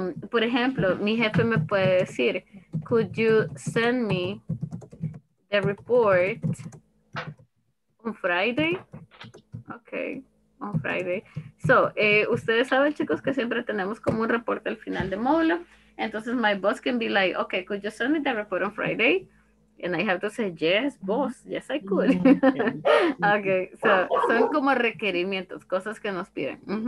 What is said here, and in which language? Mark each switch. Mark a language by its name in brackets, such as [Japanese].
[Spanish] Por ejemplo, mi jefe me puede decir, [English] could you send me the report on Friday? Okay, on Friday. [Spanish] So, ustedes saben, chicos, que siempre tenemos como un reporte al final de módulo. Entonces, [English] my boss can be like, okay, could you send me the report on Friday? And I have to say, yes, boss, yes, I could. [Spanish] Okay, so, son como requerimientos, cosas que nos piden.